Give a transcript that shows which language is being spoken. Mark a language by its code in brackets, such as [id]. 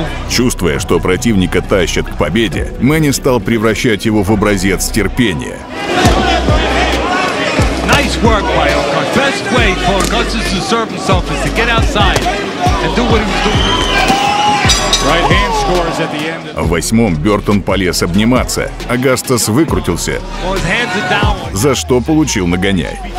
[ru] Чувствуя, что противника тащат к победе, Мэнни стал превращать его в образец терпения. [en] Nice work by Elkhart. Best way for Augustus to serve himself is to get outside and do what he was doing. Right hand scores at the end. [ru] В восьмом Бёртон полез обниматься, а Гастас выкрутился, за что получил нагоняй.